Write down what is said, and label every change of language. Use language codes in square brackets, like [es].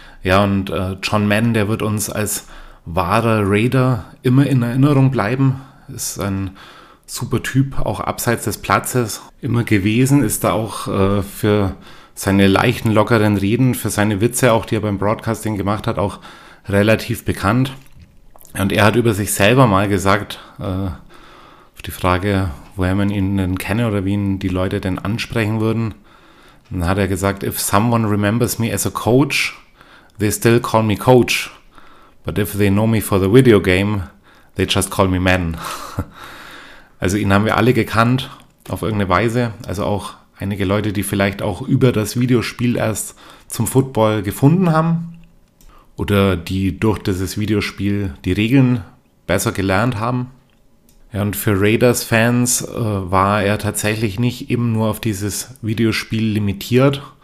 [de] Ja, und John Madden, der wird uns als wahrer Raider immer in Erinnerung bleiben, ist ein super Typ, auch abseits des Platzes immer gewesen, ist da auch für seine leichten, lockeren Reden, für seine Witze auch, die er beim Broadcasting gemacht hat, auch relativ bekannt. Und er hat über sich selber mal gesagt, auf die Frage, woher man ihn denn kenne oder wie ihn die Leute denn ansprechen würden, dann hat er gesagt, [en] if someone remembers me as a coach, they still call me coach. But if they know me for the video game, they just call me Madden. [de] Also ihn haben wir alle gekannt, auf irgendeine Weise, also auch einige Leute, die vielleicht auch über das Videospiel erst zum Football gefunden haben oder die durch dieses Videospiel die Regeln besser gelernt haben. Ja, und für Raiders-Fans war er tatsächlich nicht eben nur auf dieses Videospiel limitiert.